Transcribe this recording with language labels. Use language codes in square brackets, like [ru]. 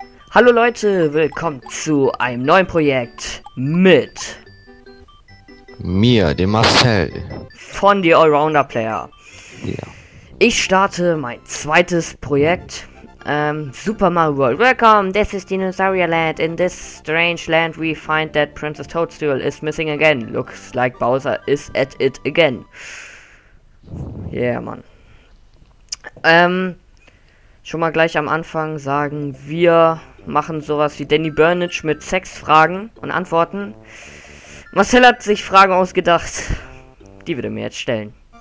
[de] Hallo Leute, willkommen zu einem neuen Projekt mit mir, dem Marcel von The Allrounder Player. Ja. Ich starte mein zweites Projekt. Super Mario World. [en] Welcome, this is Dinosauria Land. In this strange land we find that Princess Toadstool is missing again. Looks like Bowser is at it again. Yeah, man. [de] Schon mal gleich am Anfang sagen, wir machen sowas wie Danny Burnage mit sechs Fragen und Antworten. Marcel hat sich Fragen ausgedacht. Die würde mir jetzt stellen.